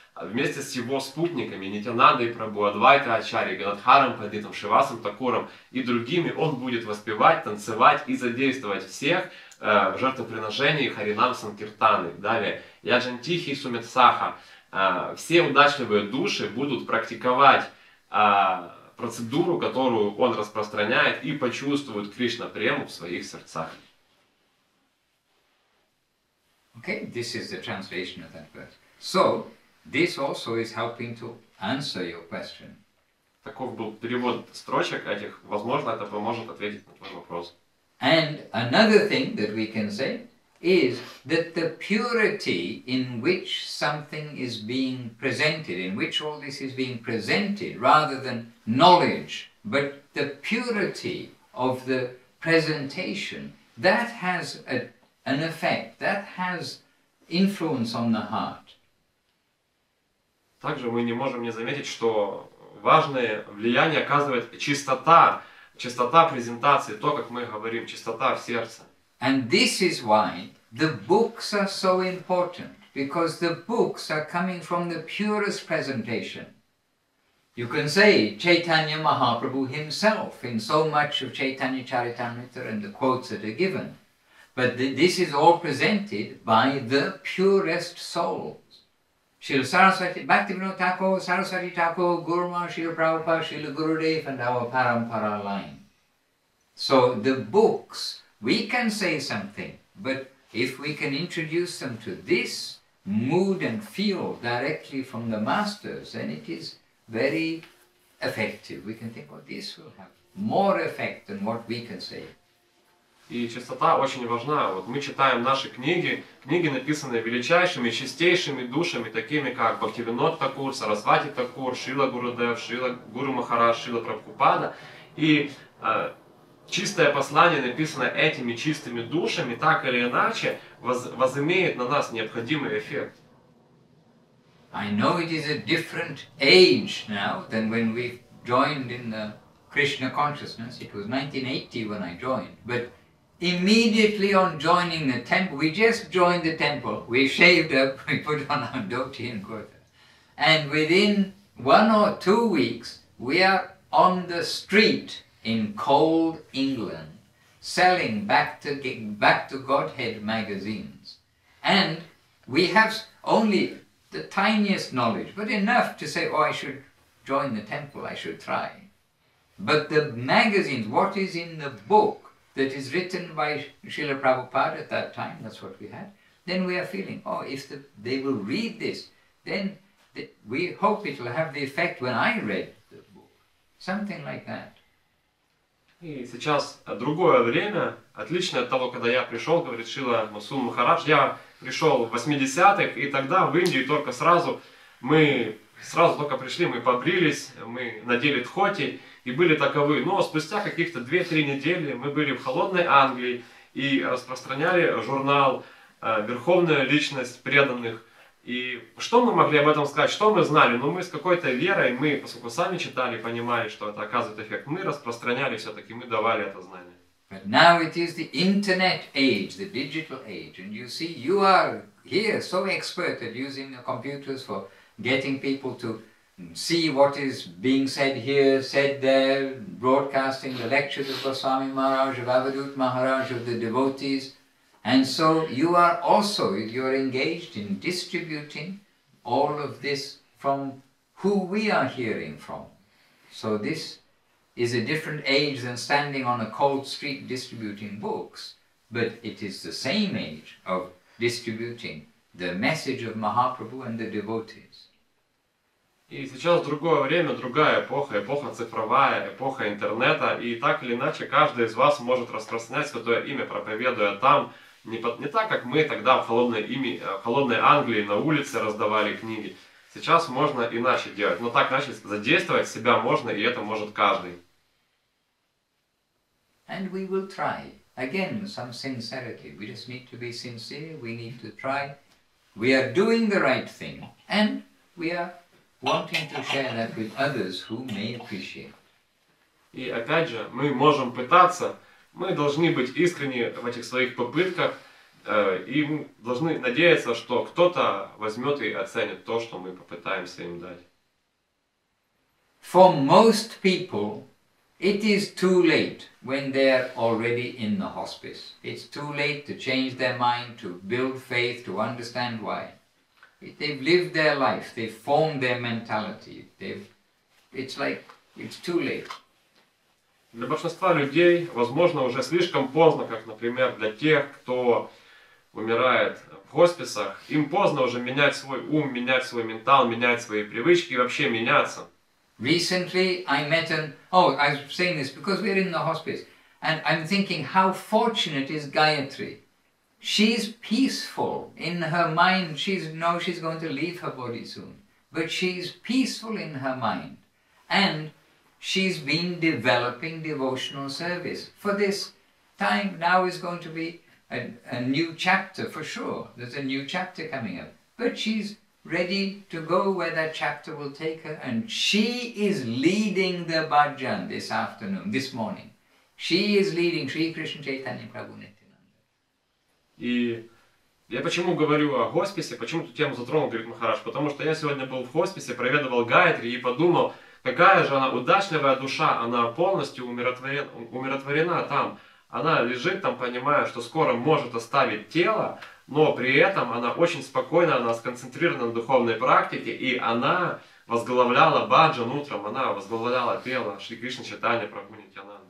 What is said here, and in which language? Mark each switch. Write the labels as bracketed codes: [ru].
[ru] Вместе с его спутниками, Нитянандой Прабу, Адвайта Ачарьи, Ганадхаром Пандитом, Шивасом Такуром и другими, он будет воспевать, танцевать и задействовать всех, в жертвоприношении Харинам Санкиртаны. Далее, [sa] Яджантихи Суметсаха. [ru] Все удачливые души будут практиковать процедуру, которую он распространяет, и почувствуют Кришна прему в своих сердцах. [en] Okay, this is the translation of that verse. So, this also is helping to answer your question. [ru] Таков был перевод строчек этих. Возможно, это поможет ответить на твой вопрос. [en] And another thing that we can say is that the purity in which something is being presented, in which all this is being presented, rather than knowledge, but the purity of the presentation, that has an effect, that has influence on the heart. [ru] Также мы не можем не заметить, что важное влияние оказывает чистота. Чистота презентации, то, как мы говорим, чистота в сердце. [en] And this is why the books are so important, because the books are coming from the purest presentation. You can say Chaitanya Mahaprabhu himself in so much of Chaitanya Charitamrita and the quotes that are given. But this is all presented by the purest souls. Srila Saraswati, Bhaktivinoda Thakur, Saraswati Thakur, Gurma, Srila Prabhupada, Srila Gurudev, and our Parampara line. So the books, we can say something, but if we can introduce them to this mood and feel directly from the masters, then it is very effective. We can think, oh, this will have more effect than what we can say. [ru] И чистота очень важна. Вот мы читаем наши книги, книги, написанные величайшими, чистейшими душами, такими как Бхактивинод Такур, Сарасвати Такур, Шрила Гурудев, Шрила Гуру Махарадж, Шрила Прабхупада. И чистое послание, написанное этими чистыми душами, так или иначе, возымеет на нас необходимый эффект. [en] I know it is a different age now than when we joined in the Krishna consciousness. It was 1980 when I joined, but immediately on joining the temple, we just joined the temple, we shaved up, we put on our dhoti and kurta, and within 1 or 2 weeks, we are on the street in cold England, selling back to Godhead magazines. And we have only the tiniest knowledge, but enough to say, oh, I should join the temple, I should try. But the magazines, what is in the book that is written by Srila Prabhupada at that time, that's what we had, then we are feeling, oh, if they will read this, then we hope it will have the effect when I read the book. Something like that. [ru] И сейчас другое время, отличное от того, когда я пришел, говорит Шрила Масун Махарадж, я пришел в 80-х, и тогда в Индии только сразу, мы сразу только пришли, мы побрились, мы надели дхоти и были таковы. Но спустя каких-то 2-3 недели мы были в холодной Англии и распространяли журнал «Верховная личность преданных». И что мы могли об этом сказать, что мы знали? Ну, мы с какой-то верой, мы, поскольку сами читали, понимали, что это оказывает эффект, мы распространяли все-таки, мы давали это знание. [en] But now it is the internet age, the digital age, and you see, you are here so expert at using the computers for getting people to see what is being said here, said there, broadcasting the lectures of Goswami Maharaj, of Avadhut Maharaj, of the devotees. And so you are also, you are engaged in distributing all of this from who we are hearing from. So this is a different age than standing on a cold street distributing books, but it is the same age of distributing the message of Mahaprabhu and the devotees. [ru] И сейчас другое время, другая эпоха, эпоха цифровая, эпоха интернета, и так или иначе каждый из вас может распространять Святое Имя, проповедуя там. Не так, как мы тогда в холодной Англии на улице раздавали книги. Сейчас можно иначе делать. Но так иначе задействовать себя можно, и это может каждый. [en] And we will try. Again, some sincerity. We just need to be sincere. We need to try. We are doing the right thing. And we are wanting to share that with others who may appreciate. [ru] И опять же, мы можем пытаться. Мы должны быть искренни в этих своих попытках, и мы должны надеяться, что кто-то возьмет и оценит то, что мы попытаемся им дать. [en] For most people, it is too late when they are already in the hospice. It's too late to change their mind, to build faith, to understand why. They've lived their life, they've formed their mentality. It's too late. [ru] Для большинства людей, возможно, уже слишком поздно, как, например, для тех, кто умирает в хосписах, им поздно уже менять свой ум, менять свой ментал, менять свои привычки и вообще меняться. [en] Recently I met I was saying this because we're in the hospice, and I'm thinking how fortunate is Gayatri. She's peaceful in her mind, she's going to leave her body soon, but she's peaceful in her mind, and she's been developing devotional service. For this time now is going to be a new chapter, for sure. There's a new chapter coming up. But she's ready to go where that chapter will take her. And she is leading the bhajan this afternoon, this morning. She is leading Sri Krishna Chaitanya Prabhu Nityananda. [ru] Я почему говорю о хосписе, почему эту тему затронул, говорит Махарадж? Потому что я сегодня был в хосписе, проведывал Гаятри и подумал, какая же она удачливая душа, она полностью умиротворена там. Она лежит там, понимая, что скоро может оставить тело, но при этом она очень спокойна, она сконцентрирована на духовной практике, и она возглавляла баджан утром, она возглавляла тело Шри Кришна Чайтанья Прабху Нитьянанда.